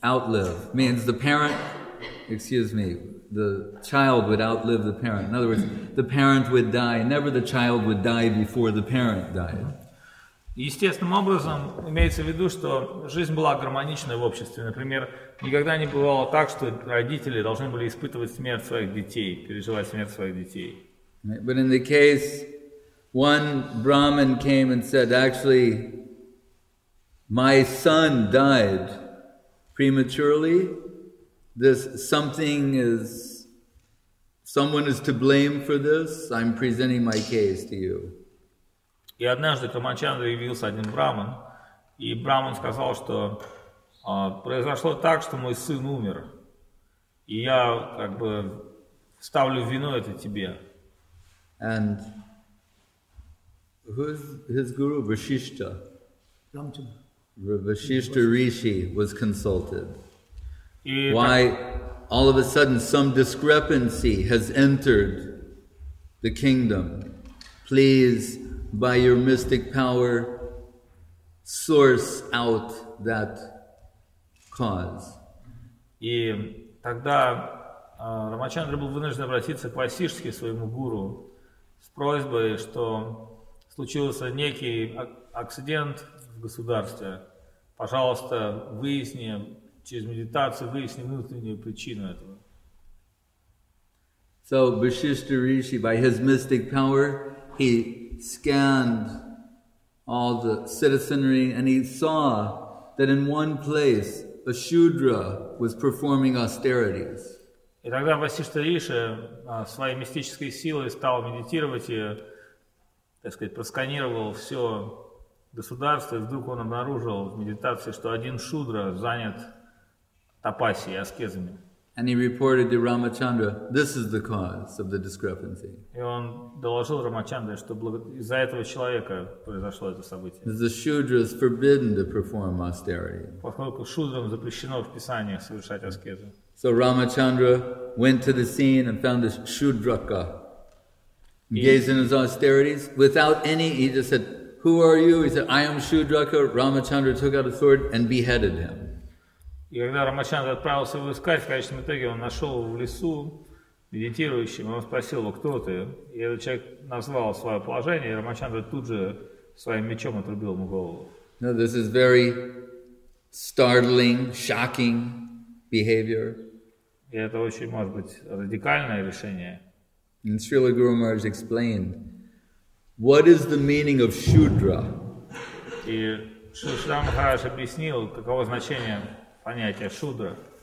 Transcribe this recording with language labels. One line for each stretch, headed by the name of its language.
English: Outlive means the parent, excuse me, the child would outlive the parent. In other words, the parent would die. Never the child would die before the parent died.
Russian: Естественным образом имеется в виду, что жизнь была гармоничной в обществе. Например, никогда не бывало так, что родители должны были испытывать смерть своих детей, переживать смерть своих детей.
English: But in the case, one Brahmin came and said, actually, my son died prematurely. This something is, someone is to blame for this. I'm presenting my case to you.
Russian: И однажды Рамачандра явился один браман, и браман сказал, что Произошло так, что мой сын умер. И я как бы ставлю вину это тебе.
English: And who's his guru? Vasishtha. Vasishtha Rishi was consulted. Why all of a sudden some discrepancy has entered the kingdom? Please, by your mystic power, source out that cause.
Russian: И тогда Рамачандра был вынужден обратиться к Васиштхе, своему гуру, с просьбой, что случился некий акцидент в государстве. Пожалуйста, выясни, через медитацию выясни внутреннюю причину этого.
English: So, Vasishtha Rishi, by his mystic power, he scanned all the citizenry and he saw that in one place a Shudra was performing austerities.
Russian: И тогда Васиштха Риши своей мистической силой стал медитировать и, так сказать, просканировал все государство, и вдруг он обнаружил в медитации, что один Шудра занят тапасией, аскезами.
English: And he reported to Ramachandra, this is the cause of the discrepancy.
Russian: И он доложил Рамачандре, что из-за этого человека произошло это событие.
English: The Shudra is forbidden to perform austerity.
Russian: Поскольку Шудрам запрещено в Писании совершать аскезы.
English: So Ramachandra went to the scene and found this Shudraka. Engaged in his austerities without any, he just said, who are you? He said, I am Shudraka. Ramachandra took out a sword and beheaded him.
Russian: И когда Рамачандра отправился его искать, в конечном итоге он нашел его в лесу медитирующим, и он спросил его, кто ты? И этот человек назвал свое положение, и Рамачандра тут же своим мечом отрубил ему голову.
English: Now, this is very startling, shocking behavior.
Russian: И это очень, может быть, радикальное решение.
English: And Srila Guru Maharaj explained, what is the meaning of Shudra?
Russian: И Шрила Махарадж объяснил, каково значение понятие шудра.